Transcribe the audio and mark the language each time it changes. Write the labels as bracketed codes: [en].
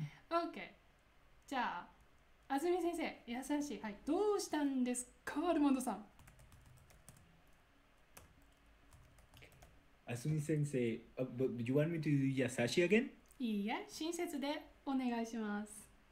[ja] Okay, じゃあ安住先生優しい、はい、どうしたんですか、アルモンドさん。あ [en] Azumi sensei, but do you want me to do yasashi again? [ja] いいえ、親切でお願いします。